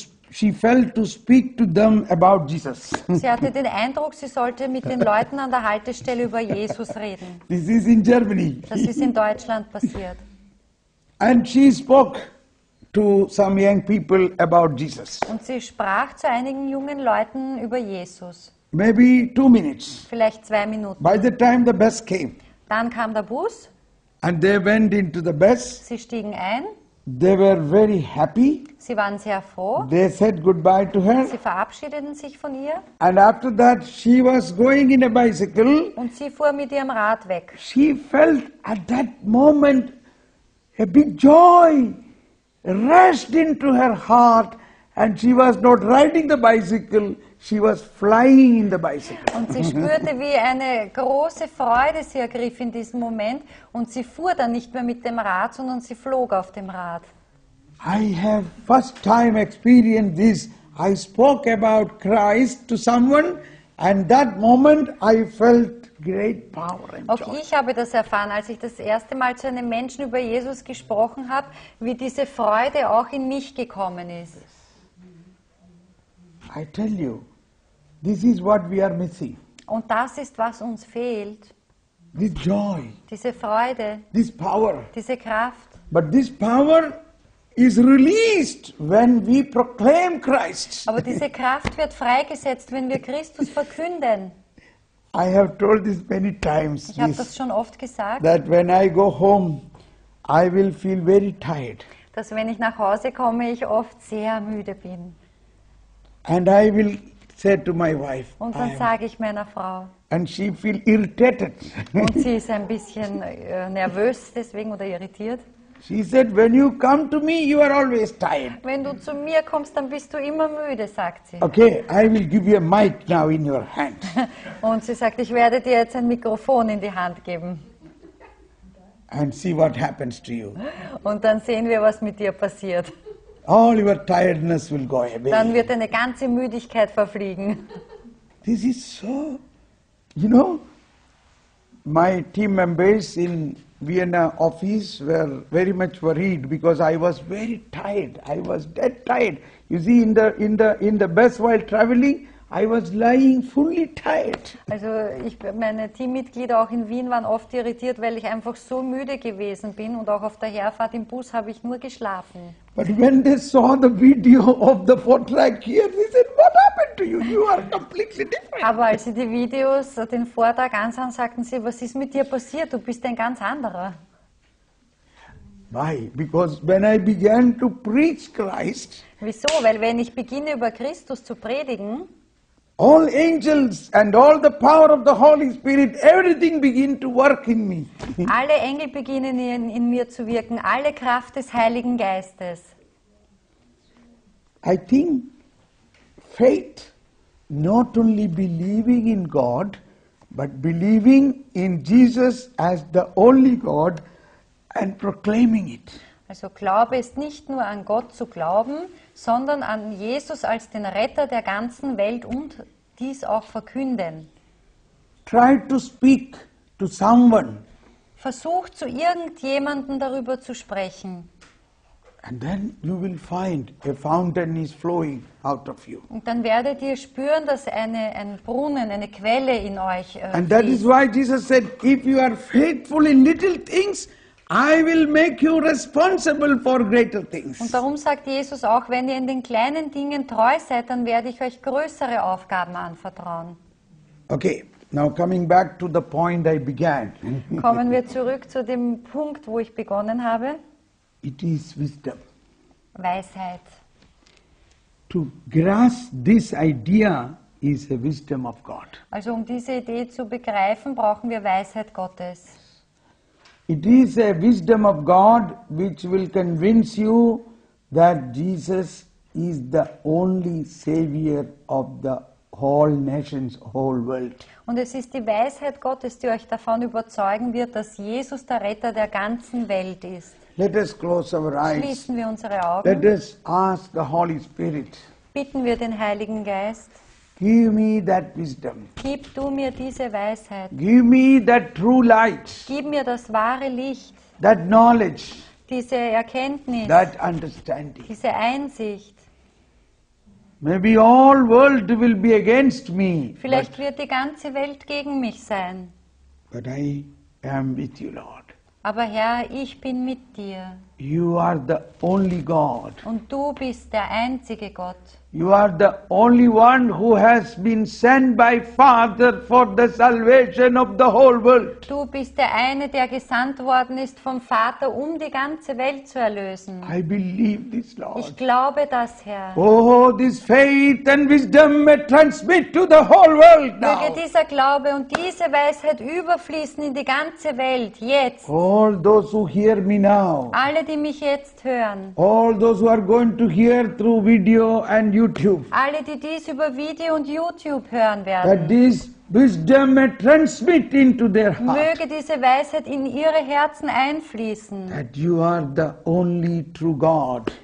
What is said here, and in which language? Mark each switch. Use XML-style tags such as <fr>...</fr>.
<en>She felt to speak to them about Jesus.</en> <de>Sie hatte den Eindruck, sie sollte mit den Leuten an der Haltestelle über Jesus reden.</de> <en>This is in Germany.</en> <de>Das ist in Deutschland passiert.</de> <en>And she spoke to some young people about Jesus.</en> <de>Und sie sprach zu einigen jungen Leuten über Jesus.</de> <en>Maybe 2 minutes.</en> <de>Vielleicht 2 Minuten.</de> <en>By the time the bus came.</en> <de>Dann kam der Bus.</de> <en>And they went into the bus.</en> <de>Sie stiegen ein.</de> <en>They were very happy.</en> <de>Sie waren sehr froh.</de> <en>They said goodbye to her.</en> <de>Sie verabschiedeten sich von ihr.</de> <en>And after that she was going in a bicycle.</en> <de>Und sie fuhr mit ihrem Rad weg.</de> <en>She felt at that moment a big joy rushed into her heart, and she was not riding the bicycle, she was flying in the bicycle.</en> <de>Und sie spürte, wie eine große Freude sie ergriff in diesem Moment, und sie fuhr dann nicht mehr mit dem Rad, sondern sie flog auf dem Rad.</de> <en>I have first time experienced this. I spoke about Christ to someone, and that moment I felt great power and joy.</en> <de>Auch ich habe das erfahren, als ich das erste Mal zu einem Menschen über Jesus gesprochen habe, wie diese Freude auch in mich gekommen ist.</de> <en>I tell you, this is what we are missing.</en> <de>Und das ist, was uns fehlt.</de> <en>This joy.</en> <de>Diese Freude.</de> <en>This power.</en> <de>Diese Kraft.</de> <en>But this power is released when we proclaim Christ.</en> <de>Aber diese Kraft wird freigesetzt, wenn wir Christus verkünden.</de> <en>I have told this many times.</en> <de>Ich habe das schon oft gesagt.</de> <en>That when I go home, I will feel very tired.</en> <de>Dass wenn ich nach Hause komme, ich oft sehr müde bin.</de> <en>And I will say to my wife.</en> <de>Und dann sage ich meiner Frau.</de> <en>And she feel irritated.</en> <de>Und sie ist ein bisschen nervös deswegen oder irritiert.</de> <en>She said, "When you come to me, you are always tired."</en> <de>Wenn du zu mir kommst, dann bist du immer müde, sagt sie.</de> <en>Okay, I will give you a mic now in your hand.</en> <de>Und sie sagt, ich werde dir jetzt ein Mikrofon in die Hand geben.</de> <en>And see what happens to you.</en> <de>Und dann sehen wir, was mit dir passiert.</de> <en>All your tiredness will go away.</en> <de>Dann wird deine ganze Müdigkeit verfliegen.</de> <en>This is so, you know, my team members in Vienna office were very much worried because I was very tired. I was dead tired. You see, in the bus while traveling, I was lying fully tired.</en> <de>Also, meine Teammitglieder auch in Wien waren oft irritiert, weil ich einfach so müde gewesen bin und auch auf der Herfahrt im Bus habe ich nur geschlafen.</de> <en>But when they saw the video of the Vortrag here, they said, "What happened to you? You are completely different."</en> <de>Aber als sie die Videos, den Vortrag ansahen, sagten sie, "Was ist mit dir passiert? Du bist ein ganz anderer."</de> <en>Why? Because when I began to preach Christ.</en> <de>Wieso? Weil wenn ich beginne, über Christus zu predigen.</de> <en>All angels and all the power of the Holy Spirit, everything begin to work in me.</en> <de>Alle Engel beginnen in mir zu wirken, alle Kraft des Heiligen Geistes.</de> <en>I think faith, not only believing in God, but believing in Jesus as the only God and proclaiming it.</en> <de>Also Glaube ist nicht nur an Gott zu glauben, sondern an Jesus als den Retter der ganzen Welt und dies auch verkünden.</de> <en>Try to speak to someone.</en> <de>Versuch zu irgendjemandem darüber zu sprechen.</de> <en>And then you will find a fountain is flowing out of you.</en> <de>Und dann werdet ihr spüren, dass ein Brunnen, eine Quelle in euch fließt.</de> <en>And that is why Jesus said, if you are faithful in little things, I will make you responsible for greater things.</en> <de>Und darum sagt Jesus auch, wenn ihr in den kleinen Dingen treu seid, dann werde ich euch größere Aufgaben anvertrauen.</de> <en>Okay, now coming back to the point I began.</en> <de>Kommen wir zurück zu dem Punkt, wo ich begonnen habe.</de> <en>It is wisdom.</en> <de>Weisheit.</de> <en>To grasp this idea is a wisdom of God.</en> <de>Also um diese Idee zu begreifen, brauchen wir Weisheit Gottes.</de> <en>It is a wisdom of God which will convince you that Jesus is the only savior of the whole nations, whole world.</en> <de>Und es ist die Weisheit Gottes, die euch davon überzeugen wird, dass Jesus der Retter der ganzen Welt ist.</de> <en>Let us close our eyes.</en> <de>Schließen wir unsere Augen.</de> <en>Let us ask the Holy Spirit.</en> <de>Bitten wir den Heiligen Geist.</de> <en>Give me that wisdom.</en> <de>Gib du mir diese Weisheit.</de> <en>Give me that true light.</en> <de>Gib mir das wahre Licht.</de> <en>That knowledge.</en> <de>Diese Erkenntnis.</de> <en>That understanding.</en> <de>Diese Einsicht.</de> <en>Maybe all world will be against me.</en> <de>Vielleicht wird die ganze Welt gegen mich sein.</de> <en>But I am with you, Lord.</en> <de>Aber Herr, ich bin mit dir.</de> <en>You are the only God.</en> <de>Und du bist der einzige Gott.</de> <en>You are the only one who has been sent by Father for the salvation of the whole world.</en> <de>Du bist der eine, der gesandt worden ist vom Vater, um die ganze Welt zu erlösen.</de> <en>I believe this, Lord.</en> <de>Ich glaube das, Herr.</de> <en>Oh, this faith and wisdom may transmit to the whole world now.</en> <de>Möge dieser Glaube und diese Weisheit überfließen in die ganze Welt jetzt.</de> <en>All those who hear me now.</en> <de>Alle, die mich jetzt hören.</de> <en>All those who are going to hear through video and YouTube.</en> <de>Alle, die dies über Video und YouTube hören werden,</de> <en>that this wisdom may transmit into their heart.</en> <de>Möge diese Weisheit in ihre Herzen einfließen.</de> <en>That you are the only true God.</en>